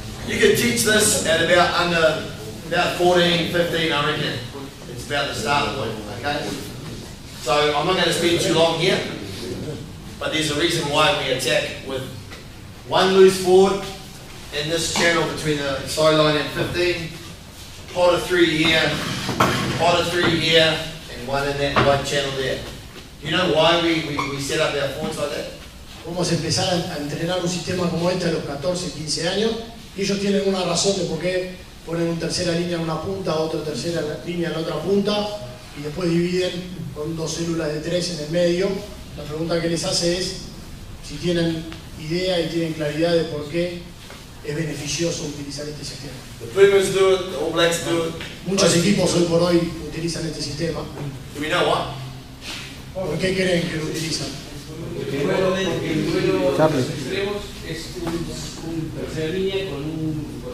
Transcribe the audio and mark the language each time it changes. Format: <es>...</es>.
<en>You can teach this at about 14, 15, I reckon. It's about the start point, okay? So I'm not going to spend too long here, but there's a reason why we attack with one loose forward in this channel between the sideline and 15, pot of three here, pot of three here, one in that one channel there. You know why we set up our forwards like that?</en> <es>Vamos a empezar a entrenar un sistema como este a los 14, 15 años. Ellos tienen una razón de por qué ponen una tercera línea en una punta, otra tercera línea en otra punta, y después dividen con dos células de tres en el medio. La pregunta que les hace es si tienen idea y tienen claridad de por qué es beneficioso utilizar este sistema.</es> <en>The Plymouths do it, the All Blacks do it.</en> <es>Muchos equipos hoy por hoy utilizan este sistema.</es> <en>Do we know why?</en> <es>¿Por qué creen que lo utilizan? Porque el duelo de los extremos es un tercera línea con un</es>